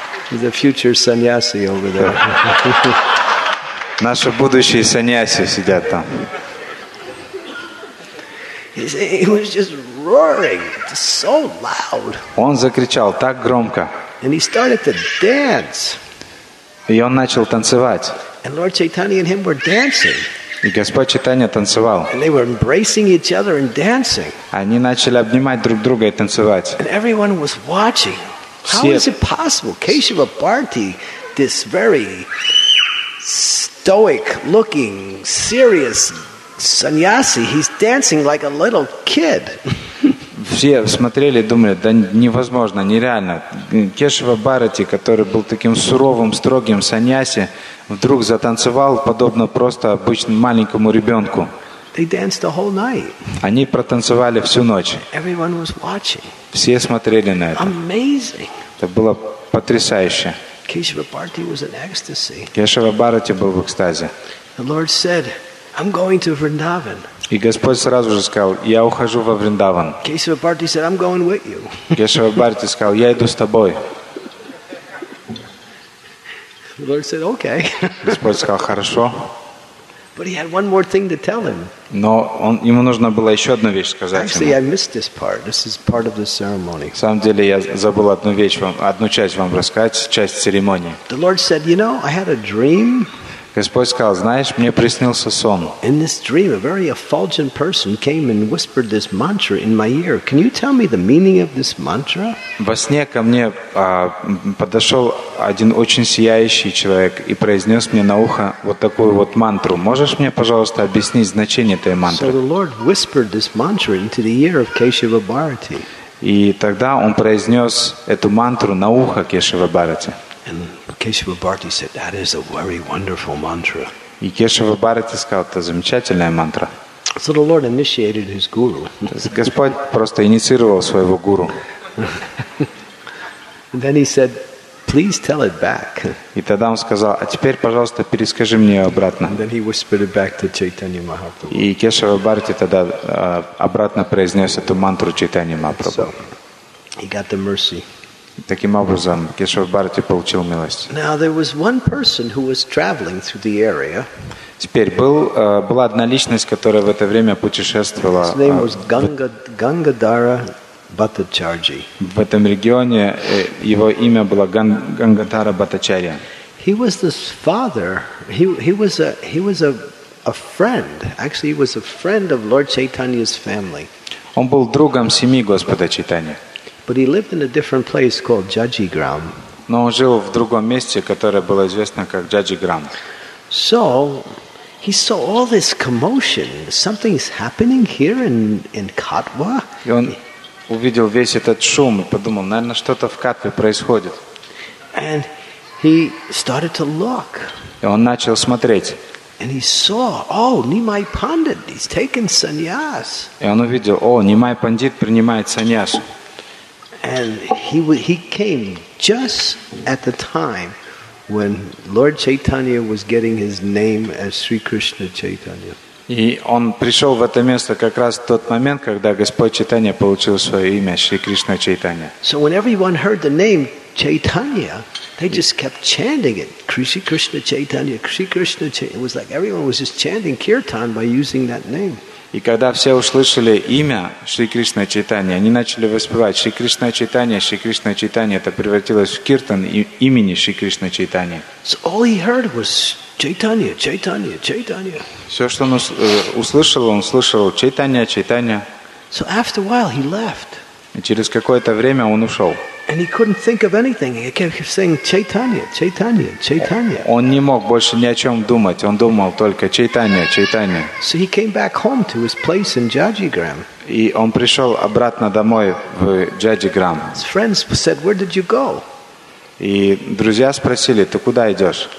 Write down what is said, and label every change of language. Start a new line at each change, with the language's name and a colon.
English: He's a future sannyasi over there.
Russian: Наши будущие сannyasi сидят там.
English: He was just roaring. It was so loud.
Russian: Он закричал так громко.
English: And he started to dance.
Russian: И он начал танцевать.
English: And Lord Chaitanya and him were dancing.
Russian: И Господь Чайтанья танцевал.
English: And they were embracing each other and dancing.
Russian: Они начали обнимать друг друга и танцевать.
English: And everyone was watching. How is it possible? Keshava Bharati, this very stoic looking, serious sannyasi, he's dancing like a little kid.
Russian: Все смотрели и думали, да невозможно, нереально. Кешава Бхарати, который был таким суровым, строгим саньяси, вдруг затанцевал подобно просто обычному маленькому ребенку.
English: They danced the whole night.
Russian: Они протанцевали всю ночь.
English: Everyone was watching.
Russian: Все смотрели на это.
English: Amazing.
Russian: Это было потрясающе.
English: Кешава Бхарати was in ecstasy.
Russian: Кешава Бхарати был в экстазе.
English: The Lord said, "I'm going to Vrindavan."
Russian: И Господь сразу же сказал: "Я ухожу во Вриндаван."
English: Кешава Бхарати said, "I'm going with you."
Russian: Кешава Бхарати сказал: "Я иду с тобой."
English: The Lord said, "Okay."
Russian: Господь сказал: "Хорошо."
English: But he had one more thing to tell him.
Russian: Но он ему нужно было еще одну вещь сказать.
English: Actually, I missed this part. This is part of the ceremony.
Russian: На самом деле я забыл одну вещь вам, одну часть вам рассказать, часть церемонии.
English: The Lord said, "You know, I had a dream."
Russian: Господь сказал: "Знаешь, мне приснился сон."
English: In this dream, a very effulgent person came and whispered this mantra in my ear. Can you tell me the meaning of this mantra?
Russian: Во сне ко мне подошел один очень сияющий человек и произнес мне на ухо вот такую вот мантру. Можешь мне, пожалуйста, объяснить значение этой мантры?
English: So the Lord whispered this mantra into the ear of Keshava Bharati.
Russian: И тогда он произнес эту мантру на ухо Кешава Бхарати.
English: And Keshava Bharati said, "That is a very wonderful mantra."
Russian: И Кешава Бхарати сказал: "Это замечательная мантра."
English: So the Lord initiated his guru.
Russian: Господь просто инициировал своего гуру.
English: And then he said, "Please tell it back."
Russian: И тогда он сказал: "А теперь, пожалуйста, перескажи мне ее обратно."
English: And then he whispered it back to Chaitanya Mahaprabhu.
Russian: И Кешава Бхарати тогда обратно произнес эту мантру Чайтанья Махапрабху.
English: So he got the mercy.
Russian: Таким образом, Кешава Бхарати получил милость.
English: Now there was one person who was traveling through the area.
Russian: Теперь была одна личность, которая в это время путешествовала.
English: His name was Gangadhara Bhattacharya.
Russian: В этом регионе его имя было Гангадхара Бхаттачарья.
English: He was the father. He was a friend. Actually, he was a friend of Lord Chaitanya's family.
Russian: Он был другом семьи Господа Чайтаньи.
English: But he lived in a different place called Jajigram.
Russian: Но он жил в другом месте, которое было известно как Jajigram.
English: So he saw all this commotion. Something's happening here in Katwa.
Russian: И он увидел весь этот шум и подумал: наверное, что-то в Катве происходит.
English: And he started to look.
Russian: И он начал смотреть.
English: And he saw, oh, Nimai Pandit, he's taken sannyas.
Russian: И он увидел: о, Нимай Пандит принимает саньяс.
English: And he came just at the time when Lord Chaitanya was getting his name as Sri Krishna Chaitanya.
Russian: И он пришел в это место как раз в тот момент, когда Господь Чайтанья получил свое имя Шри Кришна Чайтанья.
English: So when everyone heard the name Chaitanya, they just kept chanting it, Krishna Krishna Chaitanya, Krishna Krishna Chaitanya. It was like everyone was just chanting kirtan by using that name.
Russian: И когда все услышали имя Шри Кришна Чайтанья, они начали воспевать Шри Кришна Чайтанья, Шри Кришна Чайтанья. Это превратилось в киртан имени Шри Кришна Чайтанья.
English: So all he heard was Chaitanya, Chaitanya, Chaitanya.
Russian: Все, что он услышал, он слышал Чайтанья, Чайтанья.
English: So after a while he left.
Russian: И через какое-то время он ушел.
English: And he couldn't think of anything. He kept saying Chaitanya, Chaitanya, Chaitanya.
Russian: Он не мог больше ни о чем думать. Он думал только Чайтанья, Чайтанья.
English: So he came back home to his place in Jajigram.
Russian: И он пришел обратно домой в Jajigram.
English: His friends said, "Where did you go?"
Russian: И друзья спросили: "Ты куда идешь?"